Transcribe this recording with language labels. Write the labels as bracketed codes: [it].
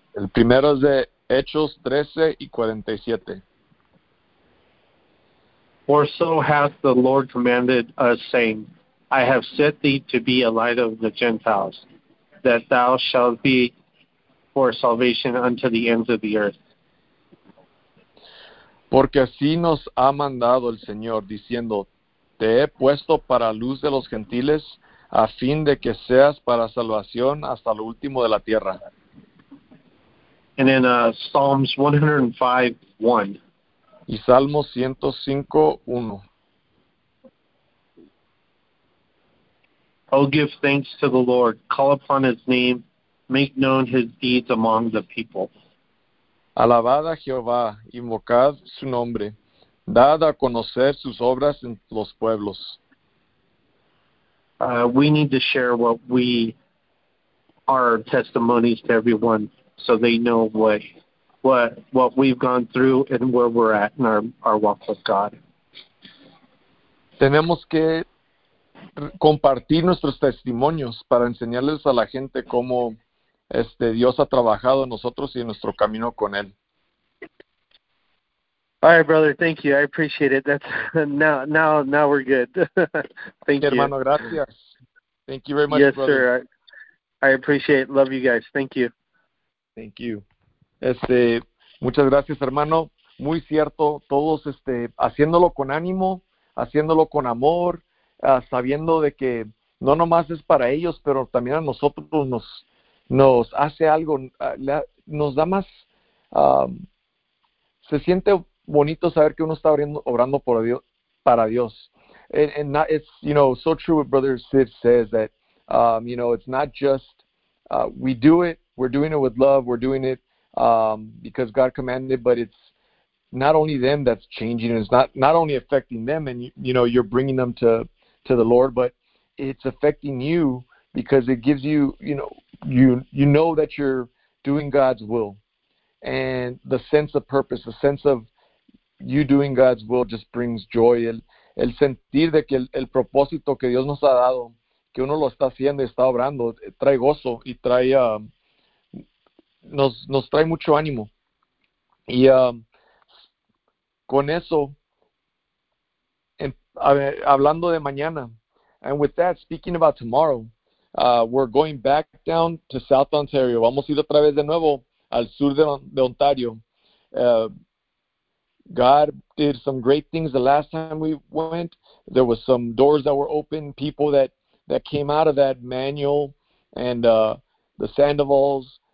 [es] El primero es de Hechos 13:47. [en] For so hath the Lord commanded us, saying, I have set thee to be a light of the Gentiles, that thou shalt be for salvation unto the ends of the earth. [es] Porque así nos ha mandado el Señor, diciendo, te he puesto para luz de los gentiles, a fin de que seas para salvación hasta lo último de la tierra. [en] And in Psalms 105:1. [es] Y Salmo 105:1. [en] Oh, give thanks to the Lord, call upon his name, make known his deeds among the people. [es] Alabad a Jehová, invocad su nombre, dad a conocer sus obras en los pueblos. [en] We need to share what we our testimonies to everyone so they know what we've gone through and where we're at in our walk with God. [es] Tenemos que compartir nuestros testimonios para enseñarles a la gente cómo Dios ha trabajado en nosotros y en nuestro camino con él. [en] All right, brother, thank you. I appreciate it. That's now we're good. Thank you. [es] Hermano, gracias. [en] Thank you very much, yes, brother. Yes, sir. I appreciate it. Love you guys. Thank you. Thank you. [es] Muchas gracias, hermano. Muy cierto. Todos haciéndolo con ánimo, haciéndolo con amor, sabiendo de que no nomás es para ellos, pero también a nosotros nos hace algo, nos da más, se siente bonito saber que uno está obrando por Dios, para Dios. [en] And not, it's, you know, so true what Brother Sid says that, you know, it's not just, we do it, we're doing it with love, we're doing it because God commanded, but it's not only them that's changing, it's not only affecting them, and, you know, you're bringing them to the Lord, but it's affecting you because it gives you, you know, you know that you're doing God's will, and the sense of purpose, the sense of you doing God's will just brings joy. [es] El sentir de que el propósito que Dios nos ha dado, que uno lo está haciendo y está obrando, trae gozo y trae, nos trae mucho ánimo. Y con eso, hablando de mañana, [en] and with that, speaking about tomorrow, we're going back down to South Ontario. [es] Vamos a ir otra vez de nuevo al sur de Ontario. [en] God did some great things the last time we went. There was some doors that were open, people that came out of that manual, and the Sandovals.